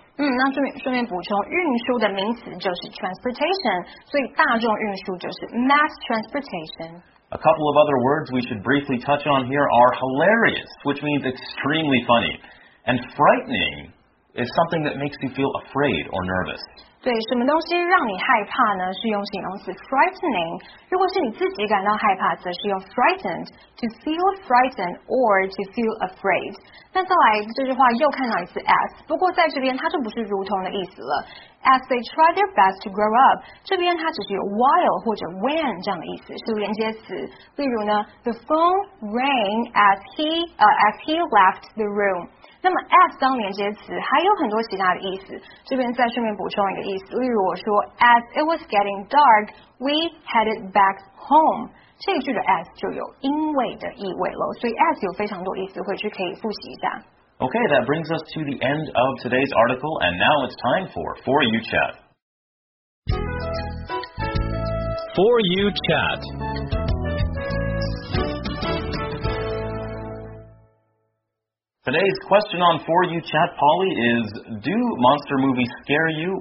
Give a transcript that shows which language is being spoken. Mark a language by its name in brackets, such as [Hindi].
[Chinese] 那顺便补充，运输的名词就是 transportation, 所以大众运输就是 mass transportation. [English] A couple of other words we should briefly touch on here are hilarious, which means extremely funny. And frightening is something that makes you feel afraid or nervous. [Chinese] 对，什么东西让你害怕呢？是用形容词 frightening. 如果是你自己感到害怕，则是用 frightened, [English] to feel frightened or to feel afraid. [Chinese] 那再来这句话又看到一次 as, 不过在这边它就不是如同的意思了。 [English] As they try their best to grow up, [Chinese] 这边它只是有 while 或者 when 这样的意思，是连接词。例如呢 [English] ，the phone rang as he left the room. [Chinese] 那么 as 当连接词还有很多其他的意思，这边再顺便补充一个意思。例如我说 [English] ，as it was getting dark, we headed back home. [Chinese] 这一句的 as 就有因为的意味了，所以 as 有非常多意思，回去可以复习一下。 [English] Okay, that brings us to the end of today's article, and now it's time for You Chat. For You Chat. Today's question on For You Chat, Polly, is do monster movies scare you?